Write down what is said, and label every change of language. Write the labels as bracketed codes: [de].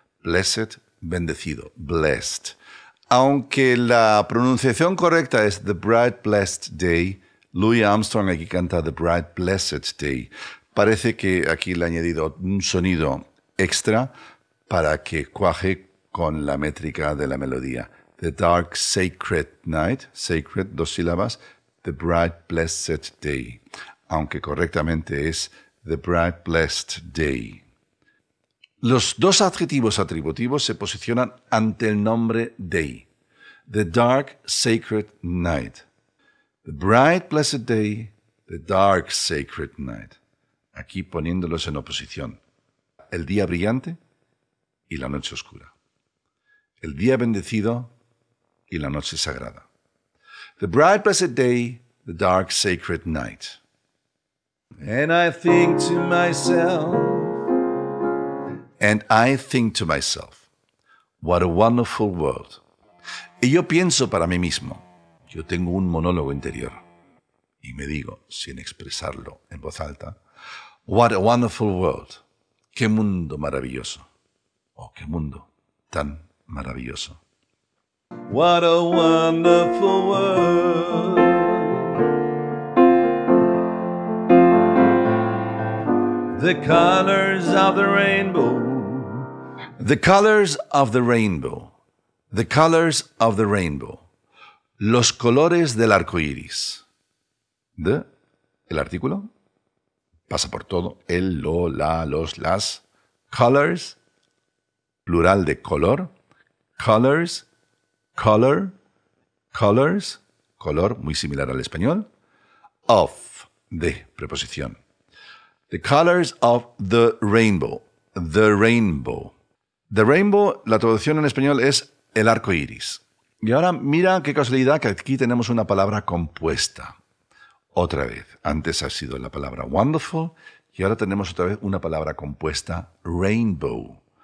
[es] Blessed, bendecido, blessed. Aunque la pronunciación correcta es [en] the bright blessed day, [es] Louis Armstrong aquí canta the bright blessed day. Parece que aquí le ha añadido un sonido extra para que cuaje con la métrica de la melodía. [en] The dark sacred night, sacred, [es] dos sílabas, [en] the bright blessed day. [es] Aunque correctamente es the bright blessed day. Los dos adjetivos atributivos se posicionan ante el nombre day. [en] The dark sacred night. The bright blessed day, the dark sacred night. [es] Aquí poniéndolos en oposición. El día brillante y la noche oscura. El día bendecido y la noche sagrada. [en] The bright blessed day, the dark sacred night. And I think to myself. And I think to myself, what a wonderful world. [es] Y yo pienso para mí mismo, yo tengo un monólogo interior, y me digo, sin expresarlo en voz alta, [en] what a wonderful world, [es] qué mundo maravilloso, oh, qué mundo tan maravilloso. [en] What a wonderful world. The colors of the rainbow. The colors of the rainbow. The colors of the rainbow. [es] Los colores del arco iris. The, el artículo, pasa por todo. El, lo, la, los, las. Colors, plural de color. Colors, color, colors, color, muy similar al español. Of, de, preposición. [en] The colors of the rainbow. The rainbow. [es] The rainbow, la traducción en español es el arco iris. Y ahora mira qué casualidad que aquí tenemos una palabra compuesta. Otra vez. Antes ha sido la palabra wonderful y ahora tenemos otra vez una palabra compuesta, rainbow.